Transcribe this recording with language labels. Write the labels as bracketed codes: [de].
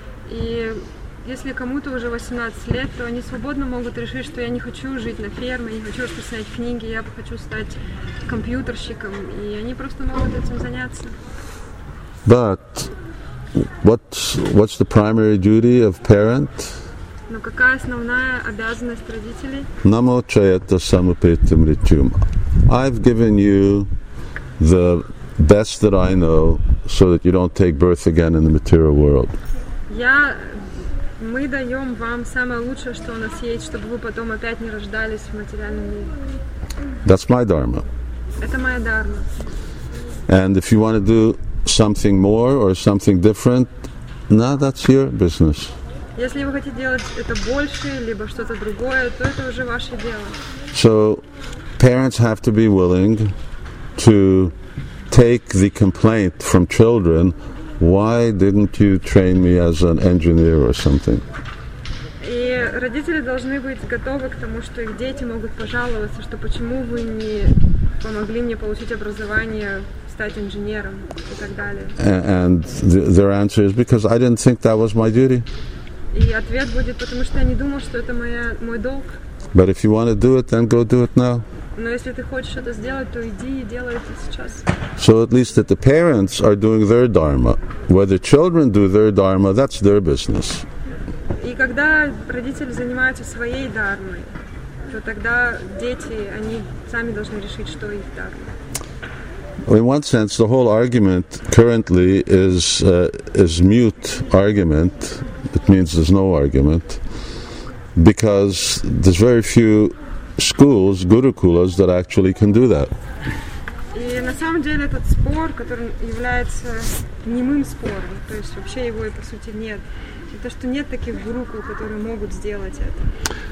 [ru] И если кому-то уже 18 лет, то они свободно могут решить, что я не хочу жить на ферме, я не хочу писать книги, я хочу стать компьютерщиком, и они просто могут этим заняться. [en] But what's the primary duty of parent? [ru] Но какая основная обязанность родителей? Namo Chaita Samapitam Ritum. [en] I've given you the best that I know so that you don't take birth again in the material world. [ru] Мы даем вам самое лучшее, что у нас есть, чтобы вы потом опять не рождались в материальном мире. [en] That's my dharma. [ru] Это моя дхарма. [en] And if you want to do something more or something different, nah, that's your business. [ru] Если вы хотите делать это больше, либо что-то другое, то это уже ваше дело. [en] So, parents have to be willing to take the complaint from children, why didn't you train me as an engineer or something? [ru] И родители должны быть готовы к тому, что их дети могут пожаловаться, что почему вы не помогли мне получить образование, стать инженером и так далее. [en] And their answer is because I didn't think that was my duty. [ru] И ответ будет, потому что я не думал, что это мой долг. [en] But if you want to do it, then go do it now. [ru] Но если ты хочешь это сделать, то иди и делай это сейчас. [en] So at least that the parents are doing their dharma. Whether children do their dharma, that's their business. [ru] И когда родители занимаются своей дхармой, то тогда дети, они сами должны решить, что их дхарма. [en] In one sense, the whole argument currently is mute argument. It means there's no argument because there's very few schools, gurukulas, that actually can do that. [ru] И на самом деле этот спор, который является немым спором, то есть вообще его и по сути нет. Это что нет таких гурукул, которые могут сделать это.